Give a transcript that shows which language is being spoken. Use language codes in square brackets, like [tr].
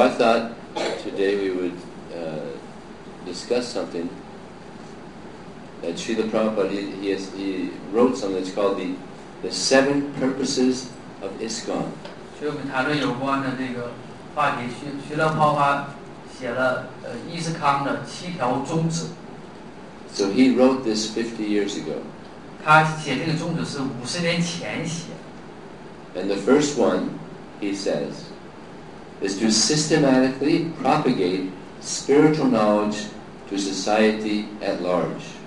[en] I thought today we would discuss something that Srila Prabhupada he wrote something that's called the Seven Purposes of ISKCON. [zh] 所以我们谈论有关的这个话题，Srila Prabhupada写了伊斯康的七条宗旨。 [en] So he wrote this 50 years ago. [zh] 他写这个宗旨是50年前写。 [en] And the first one, he says, is to systematically propagate spiritual knowledge to society at large.